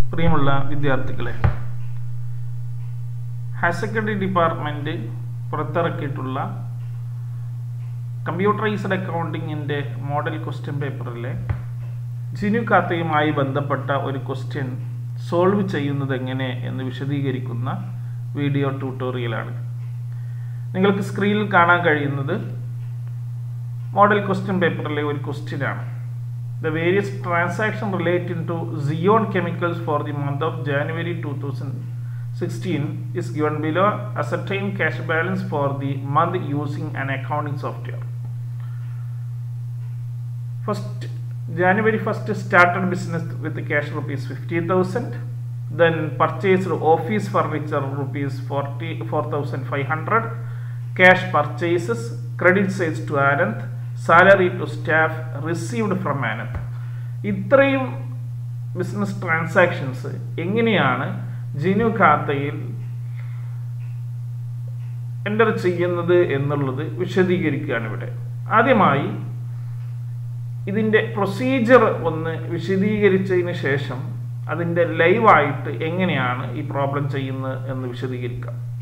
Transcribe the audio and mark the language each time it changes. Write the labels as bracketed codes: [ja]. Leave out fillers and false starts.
[ml] പ്രിയമുള്ള വിദ്യാർത്ഥികളെ, higher secondary department പുറത്തിറക്കിയിട്ടുള്ള computerised അക്കൗണ്ടിങ്ങിൻ്റെ model question പേപ്പറിലെ ജിനുഖാതയുമായി ബന്ധപ്പെട്ട ഒരു ക്വസ്റ്റ്യൻ സോൾവ് ചെയ്യുന്നത് എങ്ങനെ എന്ന് വിശദീകരിക്കുന്ന വീഡിയോ ട്യൂട്ടോറിയലാണ്. നിങ്ങൾക്ക് സ്ക്രീനിൽ കാണാൻ കഴിയുന്നത് മോഡൽ ക്വസ്റ്റ്യൻ പേപ്പറിലെ ഒരു ക്വസ്റ്റ്യനാണ്. [en] The various transactions relating to Zeon Chemicals for the month of January 2016 is given below. Ascertain cash balance for the month using an accounting software. First, January 1st started business with the cash rupees 50,000. Then purchased office furniture rupees 4,500. Cash purchases, credit sales to Anand, salary to staff received from Anand. [ml] ഇത്രയും business transactions എങ്ങനെയാണ് ജിനുഖാതയിൽ enter ചെയ്യുന്നത് എന്നുള്ളത് വിശദീകരിക്കുകയാണ് ഇവിടെ. ആദ്യമായി ഇതിൻ്റെ procedure ഒന്ന് വിശദീകരിച്ചതിന് ശേഷം അതിൻ്റെ ലൈവായിട്ട് എങ്ങനെയാണ് ഈ പ്രോബ്ലം ചെയ്യുന്നത് എന്ന് വിശദീകരിക്കാം.